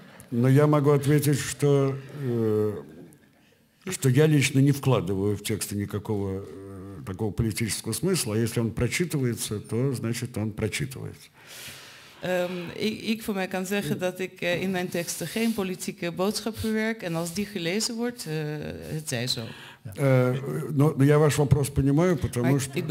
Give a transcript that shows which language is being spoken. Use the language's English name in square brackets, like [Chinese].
[Russian] Но я могу ответить, что, что я лично не вкладываю в тексты никакого такого политического смысла, а если он прочитывается, то значит он прочитывается. [Dutch] Ik voor mij kan zeggen dat ik in mijn teksten geen politieke boodschap verwerk en als die gelezen wordt, het zij zo. [Russian] Но я ваш вопрос понимаю, потому что...